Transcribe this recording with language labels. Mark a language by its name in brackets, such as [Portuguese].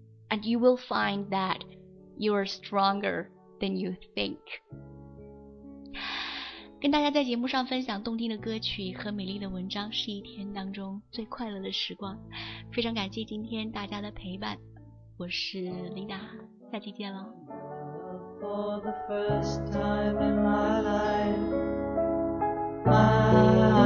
[English] And you will find that you are stronger than you think. [Chinese] 跟大家在节目上分享动听的歌曲和美丽的文章是一天当中最快乐的时光。非常感谢今天大家的陪伴。我是琳达，下期见喽。 [English] For the first time in my life, I